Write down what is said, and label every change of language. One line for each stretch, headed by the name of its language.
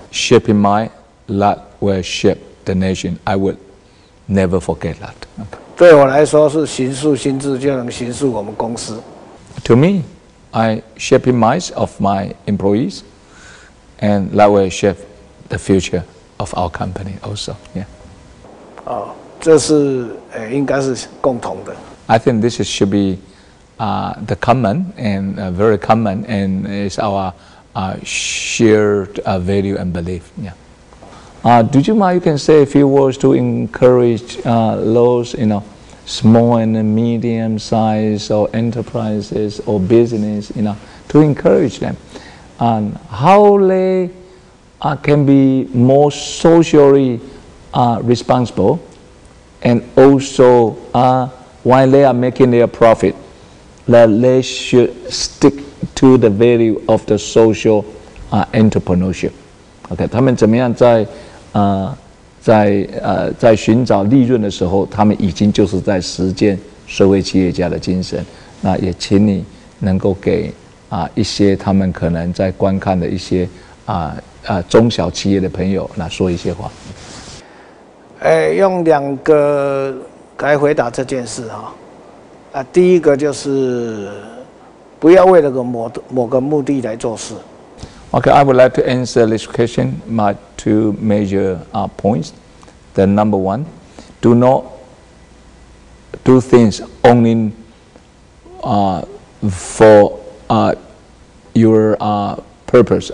English: shape in mind, that will shape the nation. I will never forget that. Okay.
Chinese: 对我来说是行塑心智，就能行塑我们公司。To
English: me, I shape in minds of my employees, and that will shape the future of our company also. Yeah.
Chinese: 哦，这是应该是共同的。I
English: think this should be the common and very common, and it's our shared value and belief. Yeah. Do you mind? You can say a few words to encourage those, you know, small and medium size or enterprises or business, you know, to encourage them, and how they can be more socially responsible, and also while they are making their profit, that they should stick to the value of the social entrepreneurship.
Chinese: Okay, 他们怎么样在寻找利润的时候，他们已经就是在实践社会企业家的精神。那也请你能够给一些他们可能在观看的一些中小企业的朋友，那说一些话。用两个来回答这件事哈。第一个就是不要为了个某个目的来做事。
English: Okay, I would like to answer this question. My two major points. The number one, do not do things only for your purpose.